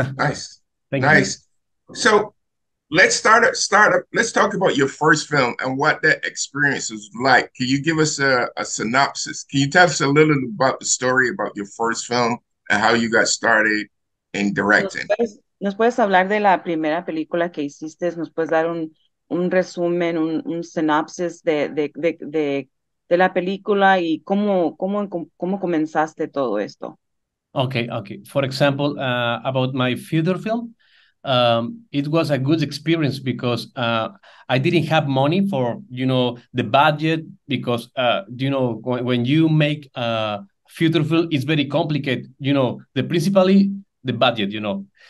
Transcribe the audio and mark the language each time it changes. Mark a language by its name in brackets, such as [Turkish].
[English] Nice. Thank you. So let's start up. Let's talk about your first film and what that experience was like. Can you give us a synopsis? Can you tell us a little about the story about your first film and how you got started in directing? [Spanish] ¿Nos puedes hablar de la primera película que hiciste? ¿Nos puedes dar un resumen, un synopsis de la película y cómo comenzaste todo esto? [English] Okay. For example, about my feature film, it was a good experience because I didn't have money for, you know, the budget because, you know, when you make a feature film, it's very complicated, you know, principally the budget, you know.